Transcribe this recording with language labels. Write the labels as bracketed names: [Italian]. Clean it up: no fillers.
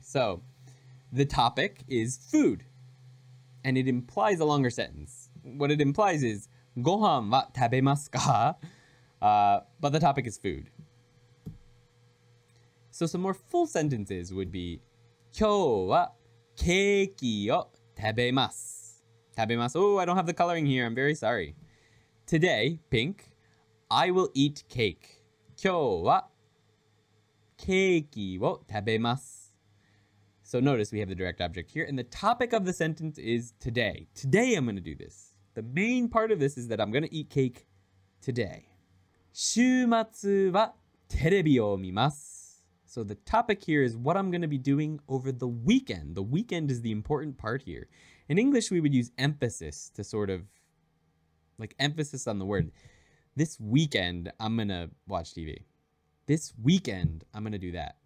[English] So, the topic is food. And it implies a longer sentence. What it implies is, [Japanese] ごはんは食べますか? [English] But the topic is food. So some more full sentences would be, [Japanese] 今日はケーキを食べます。食べます。 [English] Oh, I don't have the coloring here. I'm very sorry. Today, pink, I will eat cake. [Japanese] 今日はケーキを食べます。 [English] So notice we have the direct object here. And the topic of the sentence is today. Today I'm going to do this. The main part of this is that I'm going to eat cake today. [Japanese] 週末はテレビを見ます。 [English] So the topic here is what I'm going to be doing over the weekend. The weekend is the important part here. In English, we would use emphasis to sort of, like emphasis on the word. This weekend, I'm going to watch TV. This weekend, I'm going to do that.